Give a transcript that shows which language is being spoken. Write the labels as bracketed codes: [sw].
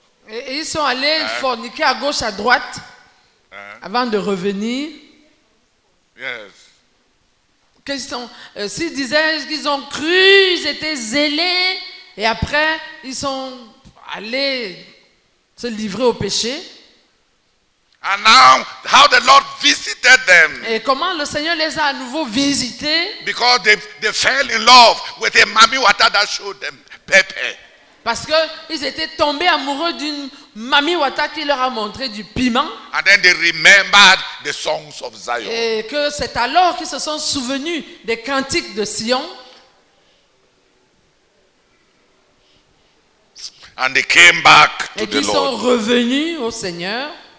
[fr] Et ils sont allés forniquer à gauche, à droite, avant de revenir. [en] Yes. [fr] S'ils disaient qu'ils ont cru, ils étaient zélés, et après, ils sont allés se livrer au péché. [en] And now, how the Lord visited them. [fr] Et comment le Seigneur les a à nouveau visités? [en] Because they fell in love with a mami wata that showed them pepe. [fr] Parce qu'ils étaient tombés amoureux d'une mami wata qui leur a montré du piment. [en] And then they remembered the songs of Zion. [fr] Et que c'est alors qu'ils se sont souvenus des cantiques de Sion. [en] And they came back to [fr] et [en] the [fr] ils [en] Lord. [fr] Sont revenus au Seigneur.